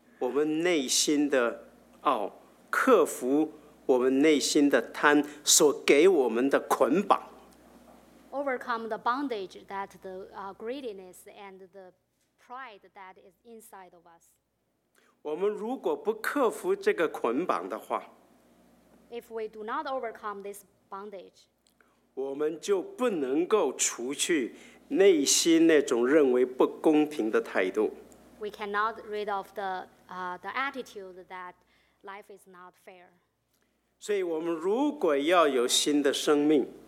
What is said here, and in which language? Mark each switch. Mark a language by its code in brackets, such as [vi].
[zh] 我们克服我们内心的傲, 克服我们内心的贪所给我们的捆绑。 [en] Overcome the bondage that the greediness and the pride that is inside of us. [zh] 我们如果不克服这个捆绑的话, [en] if we do not overcome this bondage, [zh] 我们就不能够除去内心那种认为不公平的态度。 [en] We cannot rid of the attitude that life is not fair. [zh] 所以我们如果要有新的生命,